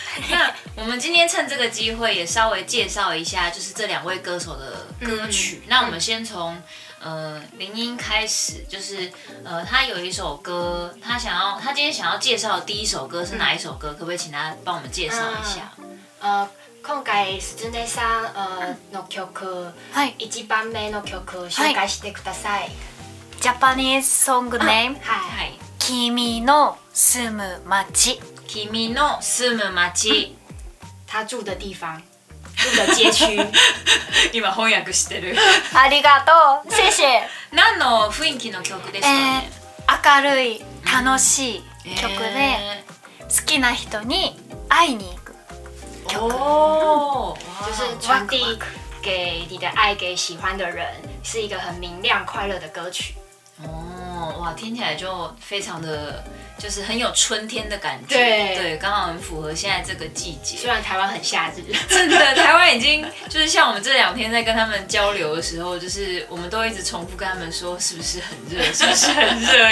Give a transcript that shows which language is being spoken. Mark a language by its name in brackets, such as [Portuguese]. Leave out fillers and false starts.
[Chinese] 那我们今天趁这个机会也稍微介绍一下，就是这两位歌手的歌曲。嗯、那我们先从林音开始，就是他有一首歌，他今天想要介绍的第一首歌是哪一首歌？嗯、可不可以请他帮我们介绍一下？ [Japanese] 今回スズネさんの曲、はい、一番目の曲紹介してください。はい、 [English] ジャパニーズソングネーム、 [Japanese] はいはい、君の住む町、君の住む町、 [Chinese] 他住的地方、住的街区。 [Japanese] 今翻訳してる。ありがとう、 [Chinese] 谢谢。 [Japanese] 何の雰囲気の曲ですかね。明るい楽しい曲で、好きな人に会いに行く曲。 [Chinese] 就是传递给你的爱给喜欢的人，是一个很明亮快乐的歌曲。哦，哇，听起来就非常的，就是很有春天的感觉。对对，刚好很符合现在这个季节。虽然台湾很夏日，真的，台湾已经就是像我们这两天在跟他们交流的时候，就是我们都一直重复跟他们说，是不是很热？是不是很热？